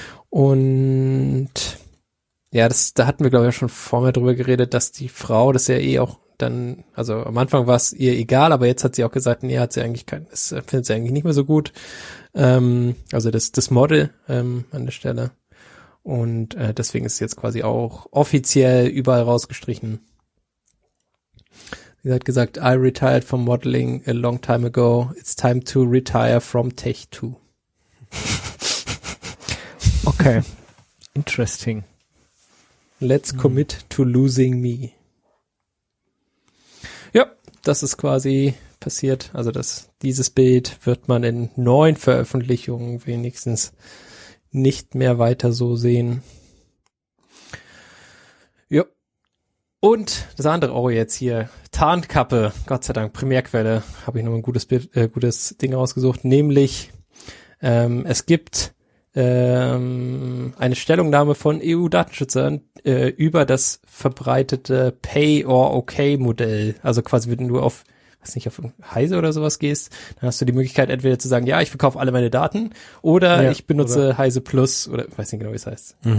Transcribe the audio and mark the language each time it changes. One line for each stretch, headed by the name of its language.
German: Und ja, da hatten wir, glaube ich, schon vorher drüber geredet, dass die Frau das ja eh auch dann, also am Anfang war es ihr egal, aber jetzt hat sie auch gesagt, nee, hat sie eigentlich kein, das findet sie eigentlich nicht mehr so gut. Also das Model an der Stelle. Und deswegen ist jetzt quasi auch offiziell überall rausgestrichen.
English: Sie hat gesagt, I retired from modeling a long time ago. It's time to retire from tech too. Okay. Interesting. Let's commit to losing me.
German: Ja, das ist quasi passiert. Also dieses Bild wird man in neuen Veröffentlichungen wenigstens nicht mehr weiter so sehen. Ja. Und das andere, oh, jetzt hier, Tarnkappe, Gott sei Dank, Primärquelle, habe ich noch ein gutes Ding rausgesucht, nämlich es gibt eine Stellungnahme von EU-Datenschützern über das verbreitete Pay-or-Okay-Modell, also quasi wenn du auf, weiß nicht, auf Heise oder sowas gehst, dann hast du die Möglichkeit entweder zu sagen, ja, ich verkaufe alle meine Daten oder ja, ich benutze oder Heise Plus oder weiß nicht genau, wie es heißt.